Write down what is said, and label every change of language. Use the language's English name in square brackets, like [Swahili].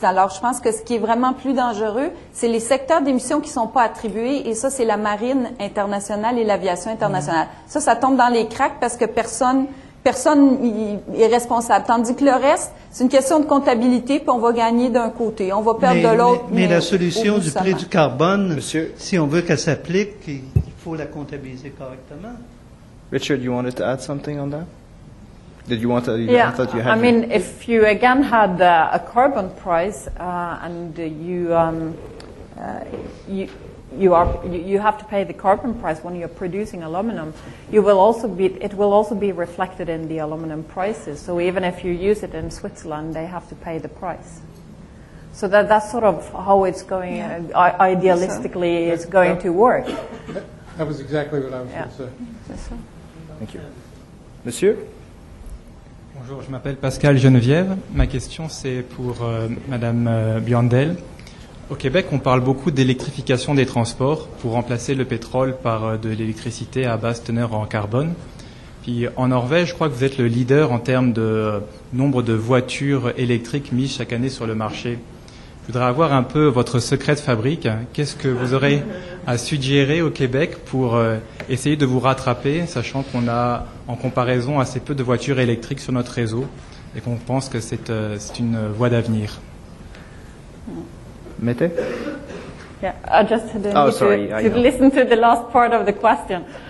[French] Alors, je pense que ce qui est vraiment plus dangereux, c'est les secteurs d'émissions qui ne sont pas attribués, et ça, c'est la marine internationale et l'aviation internationale. Mmh. Ça tombe dans les cracks parce que personne est responsable. Tandis que le reste, c'est une question de comptabilité, puis on va gagner d'un côté, on va perdre de l'autre. Mais la solution du prix du carbone, Monsieur, si on veut qu'elle s'applique, il faut la comptabiliser correctement. [English] Richard, you wanted to add something on that? Did you want to? Yeah, I thought you had. I mean, if you again had a carbon price and you have to pay the carbon price when you're producing aluminum, it will also be reflected in the aluminum prices. So even if you use it in Switzerland, they have to pay the price. So that's sort of how it's going, idealistically, it's going to work. That was exactly what I was going to say. Yes, thank you. Monsieur? [French] Bonjour, je m'appelle Pascal Geneviève. Ma question, c'est pour Madame Biondel. Au Québec, on parle beaucoup d'électrification des transports pour remplacer le pétrole par de l'électricité à basse teneur en carbone. Puis en Norvège, je crois que vous êtes le leader en termes de nombre de voitures électriques mises chaque année sur le marché. Je voudrais avoir un peu votre secret de fabrique. Qu'est-ce que vous aurez à suggérer au Québec pour essayer de vous rattraper, sachant qu'on a en comparaison assez peu de voitures électriques sur notre réseau et qu'on pense que c'est une voie d'avenir? [English] Mette? Yeah, I just didn't listen to the last part of the question.